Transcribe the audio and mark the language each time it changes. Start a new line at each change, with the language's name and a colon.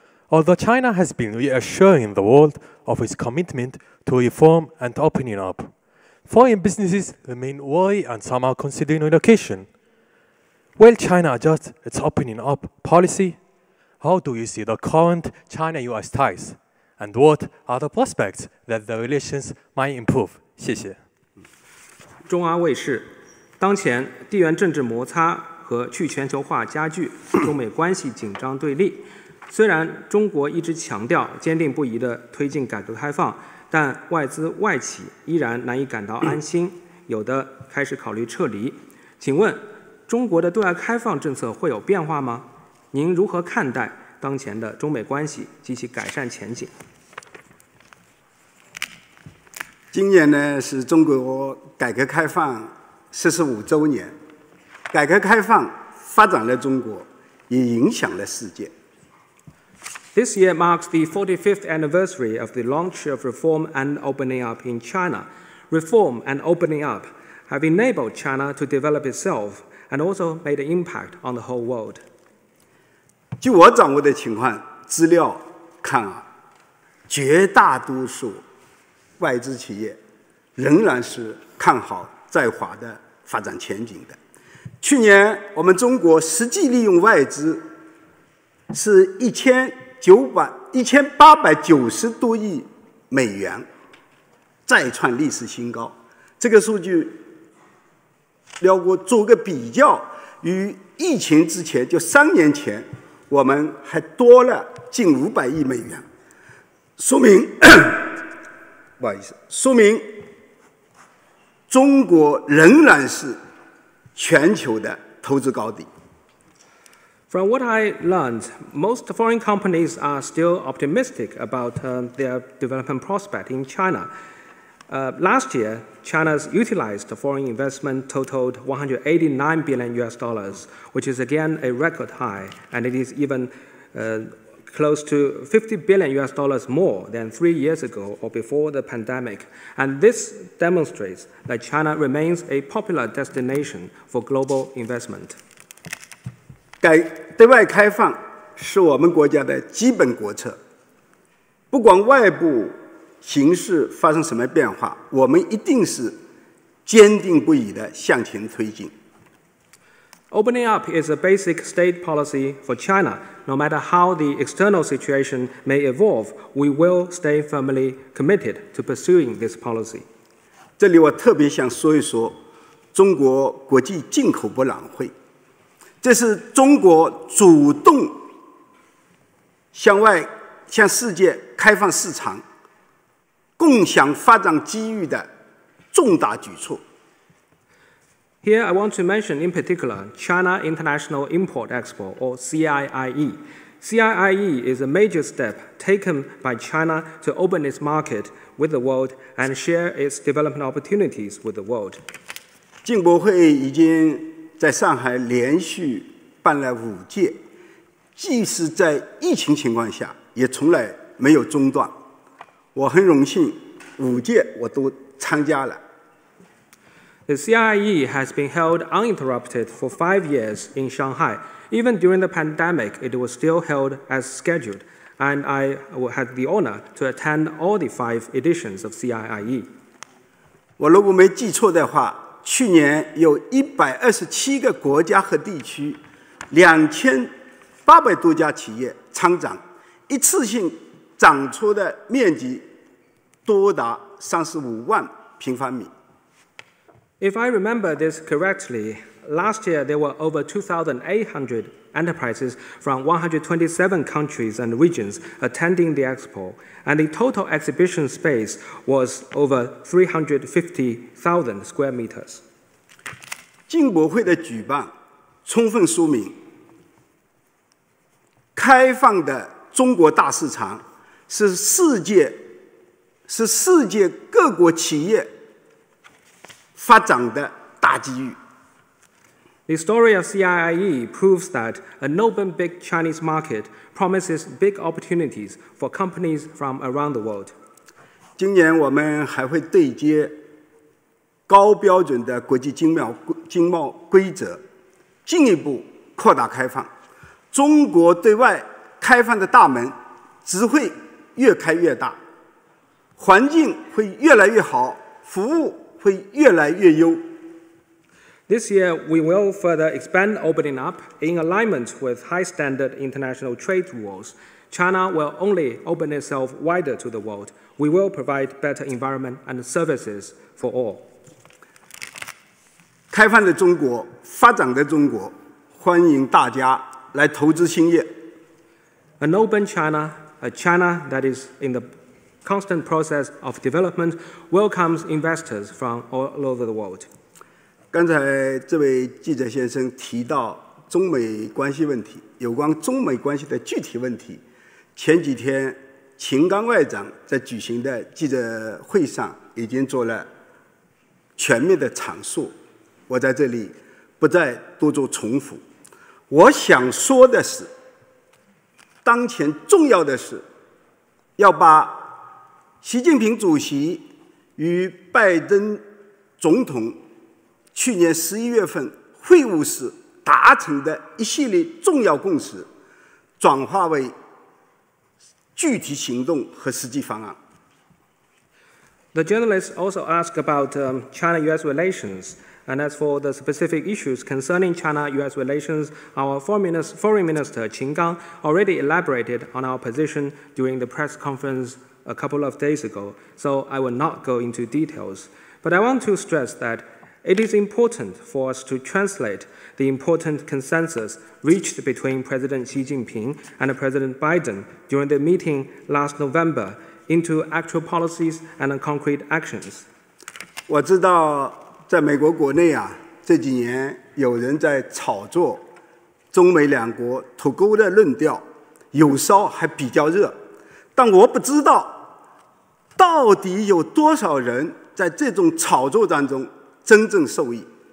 English: Although China has been reassuring the world of its commitment to reform and opening up, foreign businesses remain worried and some are considering relocation. Will China adjust its opening up policy? How do you see the current China-US ties? And what are the prospects that the relations might improve?
Chinese: 谢谢。中央卫视，当前地缘政治摩擦和去全球化加剧，中美关系紧张对立。虽然中国一直强调坚定不移地推进改革开放，但外资外企依然难以感到安心，有的开始考虑撤离。请问中国的对外开放政策会有变化吗？您如何看待当前的中美关系及其改善前景？今年呢是中国改革开放45周年，改革开放发展了中国，也影响了世界。
English: This year marks the 45th anniversary of the launch of reform and opening up in China. Reform and opening up have enabled China to develop itself and also made an impact on the whole world.
Chinese: 据我掌握的情况资料看啊，绝大多数外资企业仍然是看好在华的发展前景的。去年我们中国实际利用外资是1890多亿美元，再创历史新高。这个数据辽国做个比较，与疫情之前就3年前我们还多了近500亿美元，说明不好意思，说明中国仍然是全球的投资高地。
English: From what I learned, most foreign companies are still optimistic about their development prospect in China. Last year, China's utilized foreign investment totaled $189 billion, which is again a record high, and it is even close to $50 billion more than 3 years ago or before the pandemic. And this demonstrates that China remains a popular destination for global investment.
Chinese: 对外开放是我们国家的基本国策，不管外部形势发生什么变化，我们一定是坚定不移地向前推进。
English: Opening up is a basic state policy for China. No matter how the external situation may evolve, we will stay firmly committed to pursuing this policy.
Chinese: 这里我特别想说一说中国国际进口博览会，这是中国主动向外向世界开放市场、共享发展机遇的重大举措。
English: Here I want to mention in particular China International Import Expo, or CIIE. CIIE is a major step taken by China to open its market with the world and share its development opportunities with the world.
Chinese: 进博会已经在上海连续办了5届，即使在疫情情况下也从来没有中断。我很荣幸5届我都参加了。
English: The CIIE has been held uninterrupted for 5 years in Shanghai. Even during the pandemic, it was still held as scheduled, and I had the honor to attend all the 5 editions of CIIE.
Chinese: 我如果没记错的话，去年有127个国家和地区，2800多家企业参展，一次性展出的面积多达35万平方米。
English: If I remember this correctly, last year there were over 2,800 enterprises from 127 countries and regions attending the expo, and the total exhibition space was over 350,000 square meters.
Chinese: 进博会的举办充分说明，开放的中国大市场是世界各国企业发展的大机遇。
English: The story of CIIE proves that an open big Chinese market promises big opportunities for companies from around the world.
Chinese: 今年我们还会对接高标准的国际经贸规则，进一步扩大开放。中国对外开放的大门只会越开越大，环境会越来越好，服务会越来越优。
English: This year, we will further expand opening up in alignment with high-standard international trade rules. China will only open itself wider to the world. We will provide better environment and services for all.
Chinese: 开放的中国，发展的中国，欢迎大家来投资兴业。
English: An open China, a China that is in the constant process of development welcomes investors from all over the world.
Chinese: 刚才这位记者先生提到中美关系问题，有关中美关系的具体问题，前几天秦刚外长在举行的记者会上已经做了全面的阐述，我在这里不再多做重复。我想说的是，当前重要的是要把习近平主席与拜登总统去年十一月份会晤时达成的一系列重要共识转化为具体行动和实际方案。
English: The journalists also ask about China-US relations. And as for the specific issues concerning China-US relations, our Foreign Minister Qin Gang already elaborated on our position during the press conference a couple of days ago, so I will not go into details. But I want to stress that it is important for us to translate the important consensus reached between President Xi Jinping and President Biden during the meeting last November into actual policies and concrete actions.
Chinese: 我知道在美国国内啊，这几年有人在炒作中美两国脱钩的论调，有烧还比较热，但我不知道到底有多少人在这种炒作当中真正受益。